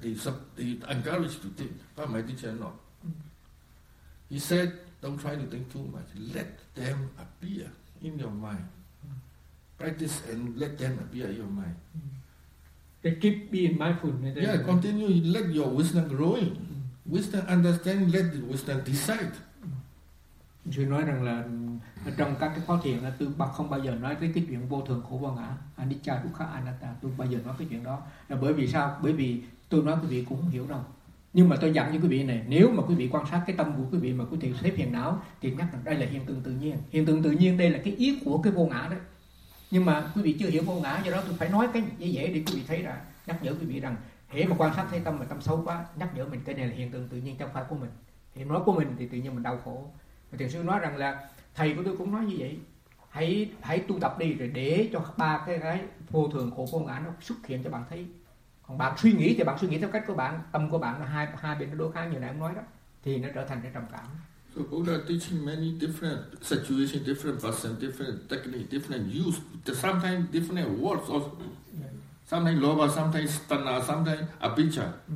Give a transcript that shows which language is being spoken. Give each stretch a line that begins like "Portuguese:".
English: They encourage to think, but my teacher not. He said, don't try to think too much. Let them appear in your mind. Practice and let them appear in your mind. They keep being mindful. Yeah, continue. Let your wisdom growing. Wisdom understand, let the wisdom decide.
Vietnamese: Chú nói rằng là trong các cái khóa thiền là tôi bắt không bao giờ nói tới cái chuyện vô thường khổ vô ngã, anicca dukkha anatta, tôi bao giờ nói cái chuyện đó. Là bởi vì sao? Bởi vì tôi nói quý vị cũng không hiểu đâu. Nhưng mà tôi dặn cho quý vị này, nếu mà quý vị quan sát cái tâm của quý vị mà quý vị thấy phiền não, thì nhắc rằng đây là hiện tượng tự nhiên. Hiện tượng tự nhiên đây là cái ý của cái vô ngã đấy. Nhưng mà quý vị chưa hiểu vô ngã, do đó tôi phải nói cái dễ dễ để quý vị thấy ra, nhắc nhở quý vị rằng, hễ mà quan sát thấy tâm mà tâm xấu quá, nhắc nhở mình cái này là hiện tượng tự nhiên trong pháp của mình. Hiện nói của mình thì tự nhiên mình đau khổ. Thiền sư nói rằng là thầy của tôi cũng nói như vậy, hãy tu tập đi rồi để cho ba cái vô thường khổ vô ngã nó xuất hiện cho bạn thấy. Còn bạn suy nghĩ thì bạn suy nghĩ theo cách của bạn, tâm của bạn là hai bên nó đối kháng như nãy ông nói đó, thì nó trở thành cái trầm cảm.
English: So Buddha teaching many different situation, different person, different technique, different use, sometimes different words also, sometimes lobha, sometimes stanna, sometimes abhicca.